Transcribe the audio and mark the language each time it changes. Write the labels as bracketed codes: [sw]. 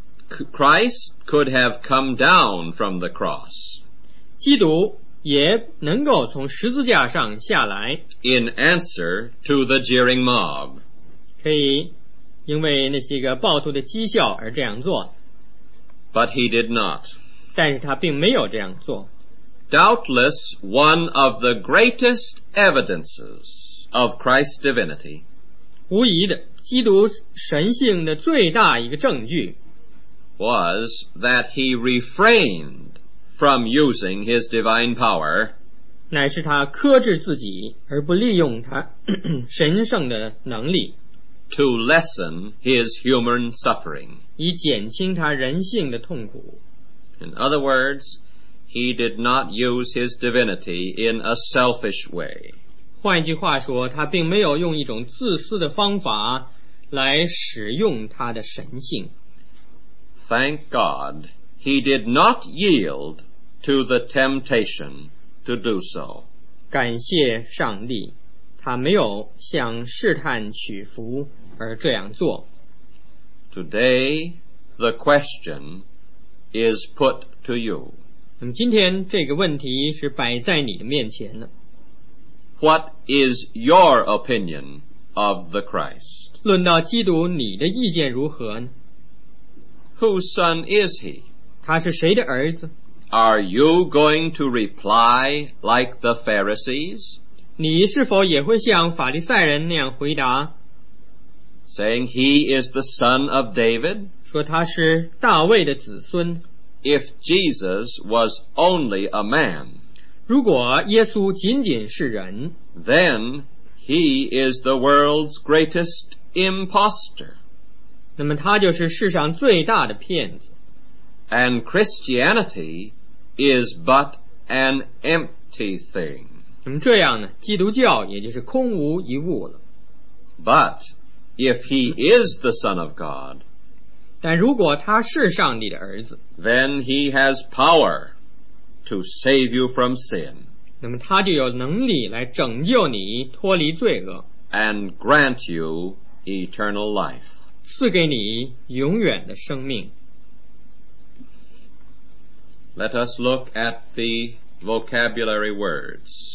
[en] Christ could have come down from the cross. [zh] 基督也能够从十字架上下来。 [en] In answer to the jeering mob. [zh] 可以因为那些个暴徒的讥笑而这样做。 [en] But he did not. [zh] 但是他并没有这样做。 [en] doubtless one of the greatest evidences of Christ's divinity. [zh] 无疑的，基督神性的最大一个证据。 [en] Was that he refrained from using his divine power? [zh] 乃是他克制自己而不利用他神圣的能力。 [en] To lessen his human suffering. [zh] 以减轻他人性的痛苦。 [en] In other words, he did not use his divinity in a selfish way. [zh] 换一句话说，他并没有用一种自私的方法来使用他的神性。 [en] Thank God, he did not yield to the temptation to do so. [zh] 感谢上帝，他没有向试探屈服而这样做。 [en] Today, the question is put to you. [zh] 那么今天这个问题是摆在你的面前了。 [en] What is your opinion of the Christ? [zh] 论到基督，你的意见如何呢？ [en] Whose son is he? [zh] 他是谁的儿子? [en] Are you going to reply like the Pharisees? [zh] 你是否也会像法利赛人那样回答? [en] Saying he is the son of David? [zh] 说他是大卫的子孙。 [en] If Jesus was only a man, [zh] 如果耶稣仅仅是人, [en] then he is the world's greatest imposter. [zh] 那么他就是世上最大的骗子。 [en] And Christianity is but an empty thing. [zh] 那么这样呢，基督教也就是空无一物了。 [en] But if he is the Son of God, [zh] 但如果他是上帝的儿子， [en] then he has power to save you from sin. [zh] 那么他就有能力来拯救你脱离罪恶。 [en] And grant you eternal life. [zh] 赐给你永远的生命。 [en] Let us look at the vocabulary words.